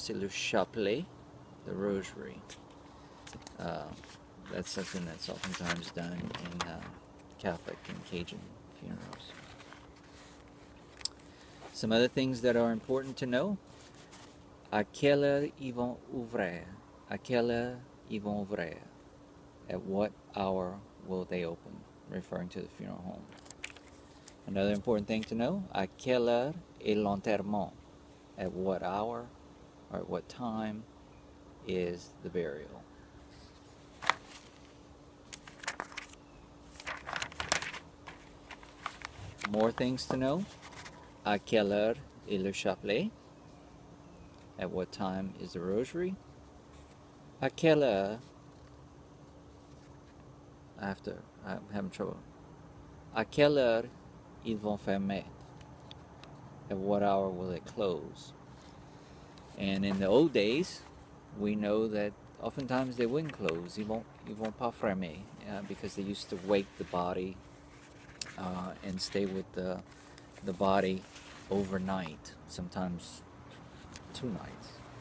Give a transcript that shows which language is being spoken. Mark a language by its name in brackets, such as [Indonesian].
[French] C'est le chapelet, [English] the rosary. That's something that's oftentimes done in Catholic and Cajun funerals. Some other things that are important to know. [French] À quelle heure ils vont ouvrir? À quelle heure ils vont ouvrir? [English] At what hour will they open? Referring to the funeral home. Another important thing to know, [French] à quelle heure est l'enterrement? [English] At what hour or at what time is the burial? More things to know, [French] à quelle heure est le chapelet? [English] At what time is the rosary? [French] À quelle heure, [English] after, I'm having trouble. [French] À quelle heure ils vont fermer? [English] At what hour will it close? And in the old days, we know that oftentimes they wouldn't close. [French] Ils vont pas fermer, [English] because they used to wake the body and stay with the body overnight, sometimes two nights.